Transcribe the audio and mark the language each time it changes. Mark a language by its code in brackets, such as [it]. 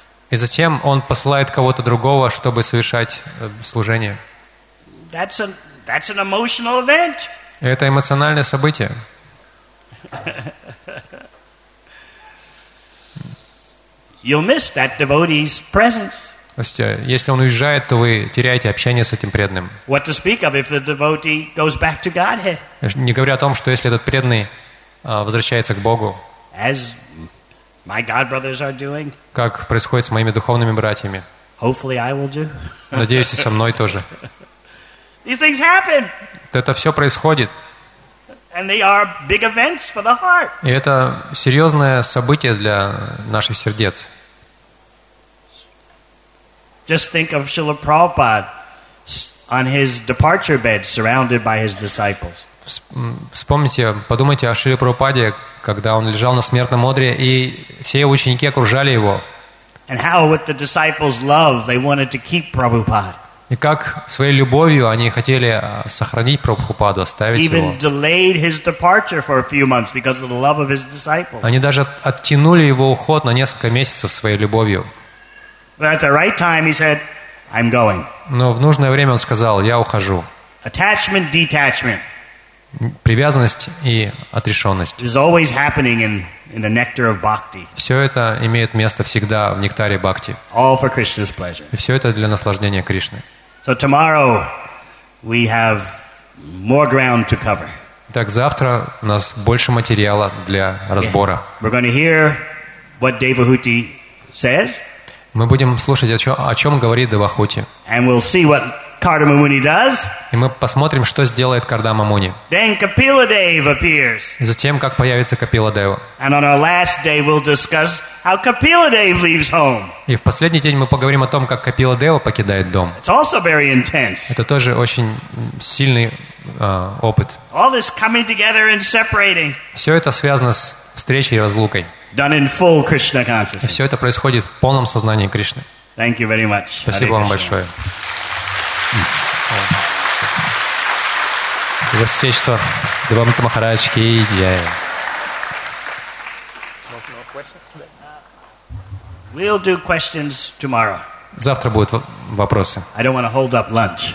[ru] И затем он посылает кого-то другого, чтобы совершать служение. [en] That's an emotional event. [ru] Это эмоциональное событие. [en] You'll miss that devotee's presence. [ru] То есть, если он уезжает, то вы теряете общение с этим преданным. [en] What to speak of if the devotee goes back to Godhead? [ru] Не говоря о том, что если этот преданный возвращается к Богу. [en] As my god brothers are doing. [ru] Как происходит с моими духовными братьями? [en] Hopefully I will do. [ru] Надеюсь, и со мной тоже. [en] These things happen. [ru] Это все происходит. [en] And they are big events for the heart. [ru] И это серьезное событие для наших сердец. [en] Just think of Srila Prabhupada on his departure bed, surrounded by his disciples. [ru] Вспомните, подумайте о Шриле Прабхупаде, когда он лежал на смертном одре, и все ученики окружали его. [en] And how with the disciples' love they wanted to keep Prabhupada. [ru] И как своей любовью они хотели сохранить Прабхупаду, оставить [en] Even [ru] его. [en] Even delayed his departure for a few months because of the love of his disciples. [ru] Они даже оттянули его уход на несколько месяцев своей любовью. [en] But at the right time he said, I'm going. [ru] Но в нужное время он сказал, я ухожу. [en] Attachment, detachment. [ru] Привязанность и отрешенность. [en] Is always happening in the nectar of bhakti. [ru] Все это имеет место всегда в нектаре бхакти. [en] All for Krishna's pleasure. [ru] И все это для наслаждения Кришны. [en] So tomorrow we have more ground to cover. [ru] Так завтра у нас больше материала для разбора. [en] Yeah. We're going to hear what Devahuti says. [ru] Мы будем слушать, о чем говорит Девахути. [en] And we'll see what Kardama Muni does. [ru] И мы посмотрим, что сделает Кардама Муни. [en] Then Kapila Dev appears. [ru] И затем, как появится Капила Дева. [en] And on our last day, we'll discuss how Kapila Dev leaves home. [ru] И в последний день мы поговорим о том, как Капила Дева покидает дом. [en] It's also very intense. [ru] Это тоже очень сильный опыт. [en] All this coming together and separating. [ru] Все это связано с встречей и разлукой. [en] Done in full Krishna consciousness. [ru] И все это происходит в полном сознании Кришны. [en] Thank you very much. [ru] Спасибо вам большое. Его Святейшество Девамрита Махарадж ки джай. [en] We'll do questions tomorrow. [ru] Завтра будут вопросы. [en] I don't want to hold up lunch.